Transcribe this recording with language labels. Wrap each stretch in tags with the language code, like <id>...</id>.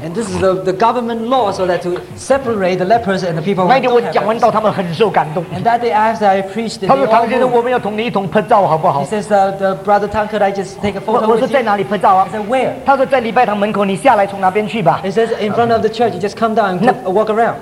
<en>And this is the government law so that to separate the lepers and the people.</en> <zh>那天我讲完道，他们很受感动。</zh> <en>And that day after I preached,</en> <zh>他说：“唐先生，我们要同你一同拍照，好不好</zh> <en>？”He says, "The brother Tang, could I just take a photo?"</en> <zh>我说在哪里拍照啊</zh> <en>？I said, "Where?"</en> <zh>他说在礼拜堂门口，你下来从那边去吧。</zh> <en>He says, "In front of the church, you just come down and walk around."</en>